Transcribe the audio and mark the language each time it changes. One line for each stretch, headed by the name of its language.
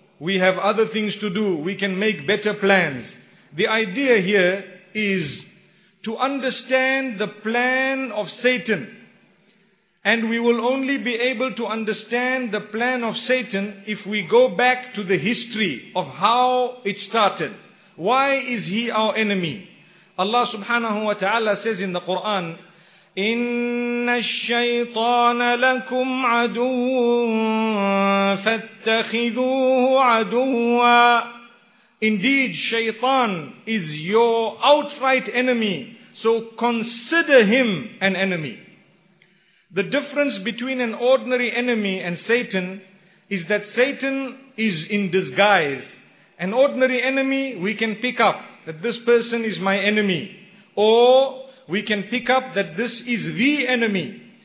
English: We have other things to do. We can make better plans. The idea here is to understand the plan of Satan. And we will only be able to understand the plan of Satan if we go back to the history of how it started. Why is he our enemy? Allah subhanahu wa ta'ala says in the Quran,
Arabic: إن الشيطان لكم عدو فاتخذوه عدوا.
English: Indeed, Shaitan is your outright enemy, so consider him an enemy. The difference between an ordinary enemy and Satan is that Satan is in disguise. An ordinary enemy, we can pick up that this person is my enemy, or we can pick up that this is the enemy.